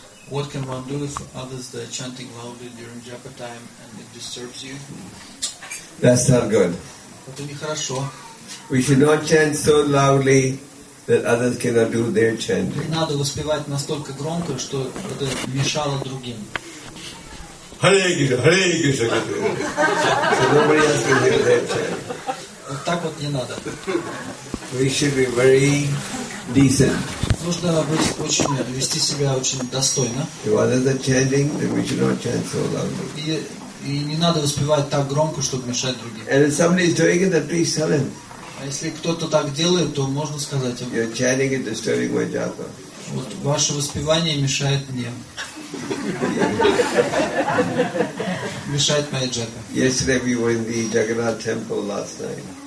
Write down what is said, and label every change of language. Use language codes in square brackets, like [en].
[en] What can one do if others are chanting loudly during japa time and it disturbs you? That's not good. [ru] Это нехорошо. [en] We should not chant so loudly that others cannot do their chanting. [ru] Не надо воспевать настолько громко, что это мешало другим. [en] Hare Krishna, Hare Krishna. So nobody else can hear their chanting. [ru] Вот так вот не надо. [en] We should be very decent. [ru] Нужно быть очень, вести себя очень достойно. [en] Chanting, so [ru] и не надо воспевать так громко, чтобы мешать другим. [en] And if somebody is doing it, then please tell him. [ru] А если кто-то так делает, то можно сказать ему. [en] You're chanting and disturbing my japa. [ru] Вот ваше воспевание мешает мне. Мешает моей джапе. [en] Yesterday we were in the Jagannath temple last night.